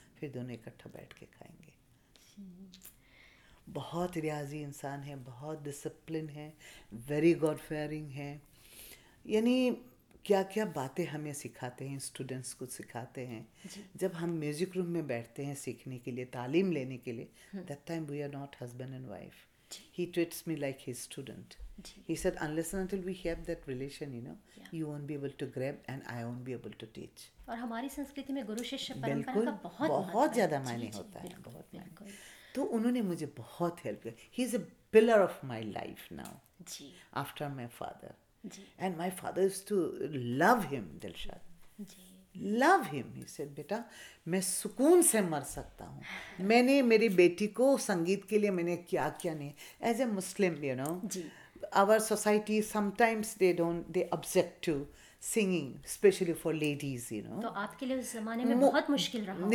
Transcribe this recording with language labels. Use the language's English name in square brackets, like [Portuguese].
[Hindi] फिर दोनों इकट्ठा बैठ के खाएंगे. बहुत रियाजी इंसान है, बहुत डिसिप्लिन है, [English] very God fearing [Hindi] है. यानी क्या क्या बातें हमें सिखाते हैं, स्टूडेंट्स को सिखाते हैं. जब हम म्यूजिक रूम में बैठते हैं सीखने के लिए, तालीम लेने के लिए, [English] That time we are not husband and wife. He treats me like his student. He said, unless and until we have that relation, you know, you won't be able to grab and I won't be able to teach. [Hindi] और हमारी संस्कृति में गुरु शिष्य परंपरा का बहुत बहुत ज़्यादा मायने होता है. बहुत मायने. तो उन्होंने मुझे बहुत help किया. [English] He is a pillar of my life now. [Hindi] Ji. [English] After my father. [Hindi] Ji. [English] And my father used to love him, Dilshad. [Hindi] Ji. [English] Love him. He said, [Hindi] बेटा मैं सुकून से मर सकता हूँ. मैंने मेरी बेटी को संगीत के लिए मैंने क्या क्या नहीं, [English] As a Muslim you know, our society sometimes they don't they object to singing, especially for ladies you know. [Hindi] तो आपके लिए उस जमाने में बहुत मुश्किल रहा?